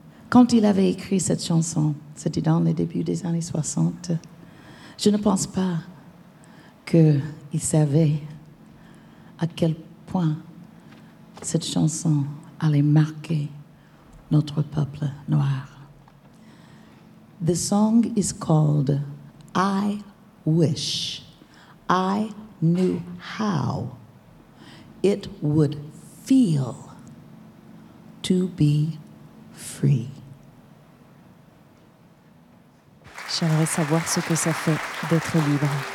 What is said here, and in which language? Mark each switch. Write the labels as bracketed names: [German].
[French] Quand il avait écrit cette chanson, c'était dans les débuts des années 60, je ne pense pas qu'il savait à quel point cette chanson allait marquer notre peuple noir. [English] The song is called I Wish I Knew How It Would Feel to Be Free. [French] J'aimerais savoir ce que ça fait d'être libre.